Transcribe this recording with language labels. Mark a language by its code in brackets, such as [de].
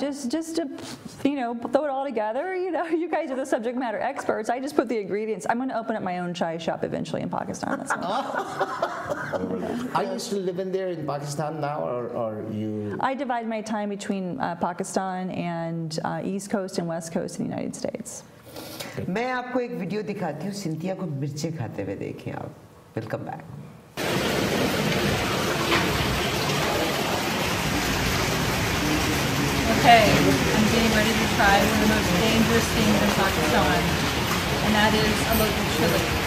[en] Just to, you know, throw it all together. You know, you guys are the subject matter experts. I just put the ingredients. I'm going to open up my own chai shop eventually in Pakistan. That's Are you still living there in Pakistan now, or are you? I divide my time between Pakistan and East Coast and West Coast in the United States. [hi] मैं आपको एक video दिखाती हूँ Cynthia को मिर्चे खाते हुए देखिए आप. [en] We'll come back. Okay, I'm getting ready to try one of the most dangerous things in Pakistan, and that is a local chili.